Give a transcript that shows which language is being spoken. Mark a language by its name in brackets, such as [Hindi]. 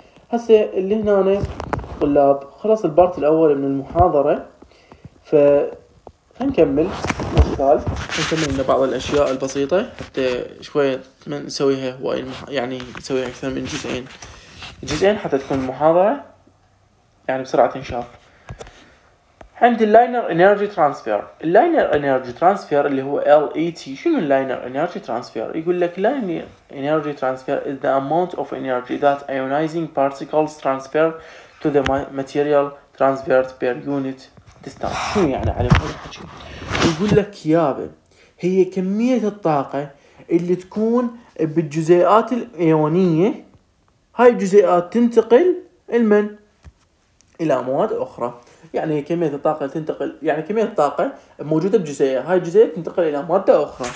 [Arabic] هسه اللي هنا طلاب خلص البارت الاول من المحاضره، ف هنكمل مثال، هنكمل لنا بعض الاشياء البسيطه حتى شويه نسويها هواي يعني نسويها اكثر من جزئين حتى تكون المحاضره يعني بسرعه تنشاف. عند اللاينر انرجي ترانسفير، اللاينر انرجي ترانسفير اللي هو LET. شنو اللاينر انرجي ترانسفير؟ [English] يقول لك linear energy transfer is the amount of energy that ionizing particles transfer to the material transferred per unit distance. [Arabic] شنو يعني على كل حكي؟ يقول لك يابا هي كمية الطاقة اللي تكون بالجزيئات الايونية، هاي الجزيئات تنتقل لمن؟ الى مواد اخرى. يعني كمية الطاقة تنتقل، يعني كمية الطاقة موجودة بجزيئة، هاي الجزيئة تنتقل إلى مادة أخرى.